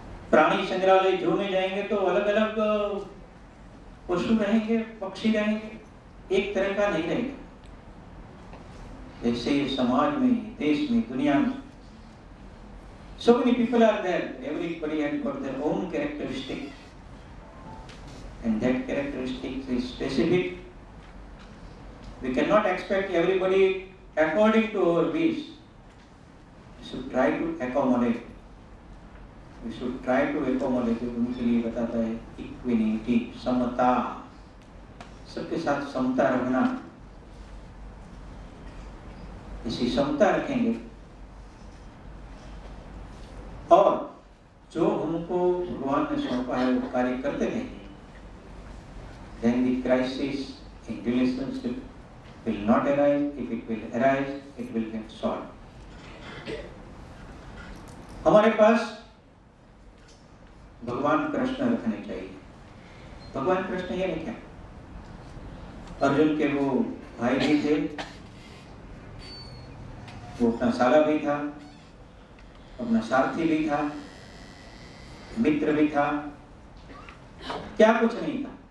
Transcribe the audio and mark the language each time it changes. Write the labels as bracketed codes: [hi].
[hi] प्राणी संग्रहालय जू में जाएंगे तो अलग अलग पशु रहेंगे, पक्षी रहेंगे, एक तरह का नहीं रहेगा. ऐसे समाज में, देश में, दुनिया में [en] So many people are there, everybody has got their own characteristic. And that characteristic is specific. We cannot expect everybody according to our wish. We should try to accommodate. [hi] उनके लिए बताता है इक्विनिटी, समता, सबके साथ समता रखना. इसी समता रखेंगे और जो हमको भगवान ने सौंपा है वो कार्य करते रहेंगे. [en] Then the crisis in relationship will not arise. If it will arise, it will get solved. [hi] हमारे पास भगवान कृष्ण रखने चाहिए. भगवान कृष्ण ये रखे अर्जुन के वो भाई भी थे, वो अपना साला भी था, अपना सारथी भी था, मित्र भी था, क्या कुछ नहीं था।